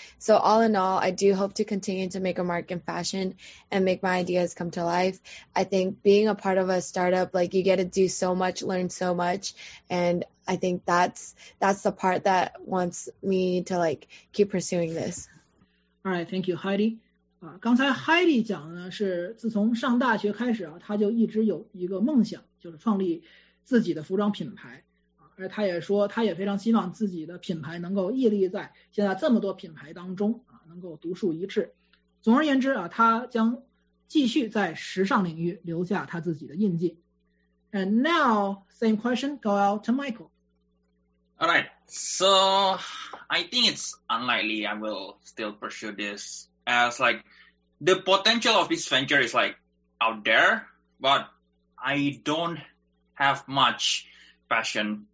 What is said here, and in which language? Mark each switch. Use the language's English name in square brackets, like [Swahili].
[English] So all in all, I do hope to continue to make a mark in fashion and make my ideas come to life. I think being a part of a startup, like, you get to do so much, learn so much, and I think that's the part that wants me to, like, keep pursuing this. All right, thank you, Heidi. [Chinese] 刚才 Heidi 讲呢，是自从上大学开始啊，他就一直有一个梦想，就是创立自己的服装品牌啊。而他也说，他也非常希望自己的品牌能够屹立在现在这么多品牌当中啊，能够独树一帜。总而言之啊，他将继续在时尚领域留下他自己的印记。 [English] And now, same question go out to Michael. All right. So I think it's unlikely I will still pursue this as like the potential of this venture is like out there, but I don't have much passion.